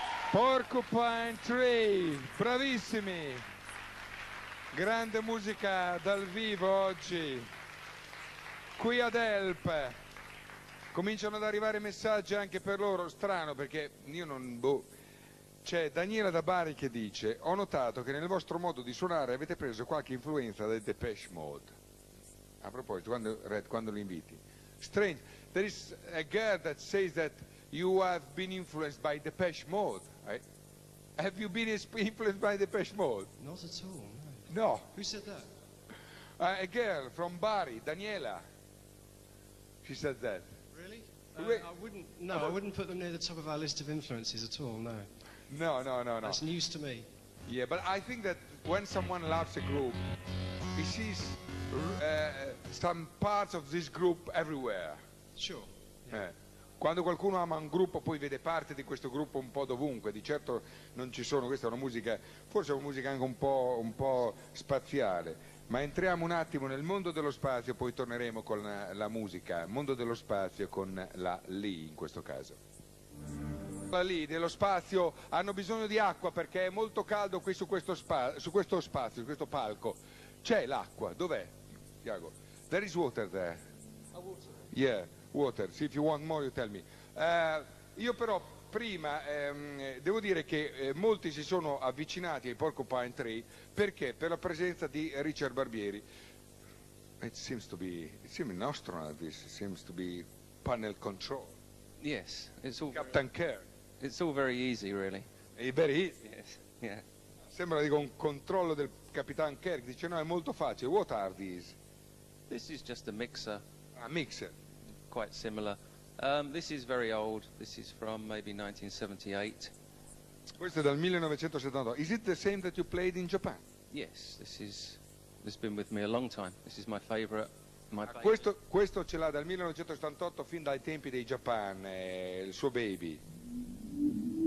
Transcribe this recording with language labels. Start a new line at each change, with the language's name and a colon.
Italian: Porcupine Tree, bravissimi, grande musica dal vivo oggi, qui ad Help. Cominciano ad arrivare messaggi anche per loro, strano perché io non... C'è Daniela da Bari che dice: ho notato che nel vostro modo di suonare avete preso qualche influenza dai Depeche Mode. A proposito, quando, Red, quando li inviti?
English: Strange, there is a girl that says that you have been influenced by Depeche Mode. Have you been influenced by Depeche Mode? Not at all, no. No. Who said that? A girl from Bari, Daniela. She said that. Really? I wouldn't put them near the top of our list of influences at all, no. No. That's news to me. Yeah, but I think that when someone loves a group, he sees some parts of this group everywhere. Sure, yeah.
Italian: Quando qualcuno ama un gruppo, poi vede parte di questo gruppo un po' dovunque. Di certo non ci sono, questa è una musica, forse è una musica anche un po' spaziale. Ma entriamo un attimo nel mondo dello spazio, poi torneremo con la musica. Mondo dello spazio con la Lee, in questo caso. La Lee dello spazio, hanno bisogno di acqua perché è molto caldo qui su questo spazio, su questo palco. C'è l'acqua, dov'è?
English: Tiago, there is water there. A water. Yeah. Water, if you want more you tell me.
Italian: Io però prima devo dire che molti si sono avvicinati ai Porcupine Tree perché per la presenza di Richard Barbieri.
English: It seems an astronaut, this seems to be panel control. Yes, it's all Captain Kirk. It's all very easy really. È very easy. Yes. Yeah.
Italian: Sembra di un controllo del Capitan Kirk, dice no, è molto facile.
English: What are these? This is just a mixer. A mixer. Quite similar. This is very old. This is from maybe 1978.
Italian: Questo è dal 1978.
English: Is it the same that you played in Japan? Yes, this has been with me a long time. This is my favorite. My
Italian: questo ce l'ha dal 1978 fin dai tempi dei Japan, il suo baby.